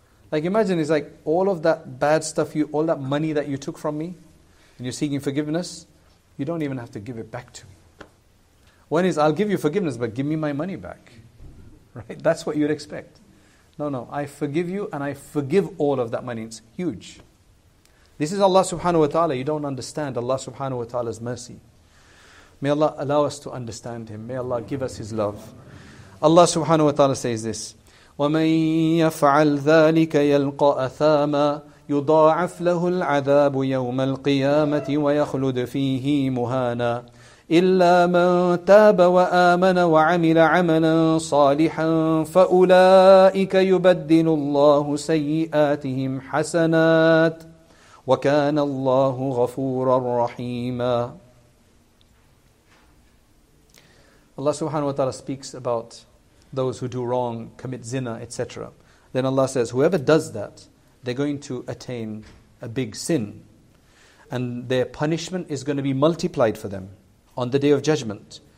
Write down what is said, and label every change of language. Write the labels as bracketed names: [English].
[English] Like imagine, it's like all of that bad stuff, all that money that you took from me, and you're seeking forgiveness, you don't even have to give it back to me. One is, I'll give you forgiveness, but give me my money back. Right? That's what you'd expect. No, no, I forgive you and I forgive all of that money. It's huge. This is Allah subhanahu wa ta'ala. You don't understand Allah subhanahu wa ta'ala's mercy. May Allah allow us to understand Him. May Allah give us His love. Allah subhanahu wa ta'ala says this, [Arabic] وَمَنْ يَفْعَلْ ذَٰلِكَ يَلْقَ أَثَامًا يُضَاعَفْ لَهُ الْعَذَابُ يَوْمَ الْقِيَامَةِ وَيَخْلُدْ فِيهِ مُهَانًا إِلَّا مَنْ تَابَ وَآمَنَ وَعَمِلَ عَمَلًا صَالِحًا فَأُولَئِكَ يُبَدِّلُ اللَّهُ سَيِّئَاتِهِمْ حَسَنَاتٍ وَكَانَ اللَّهُ غَفُورًا رَحِيمًا. [English] Allah subhanahu wa ta'ala speaks about those who do wrong, commit zina, etc. Then Allah says, whoever does that, they're going to attain a big sin. And their punishment is going to be multiplied for them on the day of judgment.